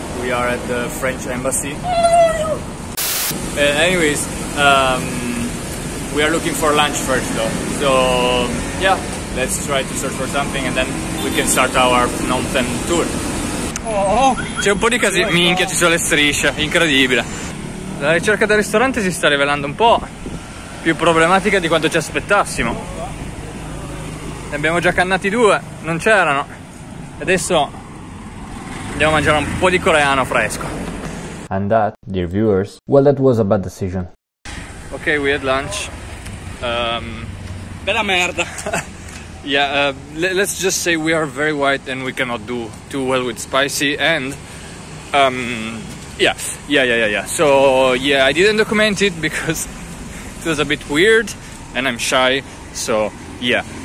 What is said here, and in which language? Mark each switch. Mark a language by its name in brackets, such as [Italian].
[English] We are at the French embassy. Anyways, we are looking for lunch first though. So yeah, let's try to search for something and then we can start our Phnom Penh tour. Oh, [Italian] c'è un po' di casino. Minchia, ci sono le strisce, incredibile. La ricerca del ristorante si sta rivelando un po' più problematica di quanto ci aspettassimo. Ne abbiamo già cannati due, non c'erano. Adesso andiamo a mangiare un po' di coreano fresco. [English] And that, dear viewers, well, that was a bad decision. Okay, we had lunch. [Italian] Bella merda. [English] Yeah, let's just say we are very white and we cannot do too well with spicy and... Yeah. So, yeah, I didn't document it because it was a bit weird and I'm shy. So, yeah.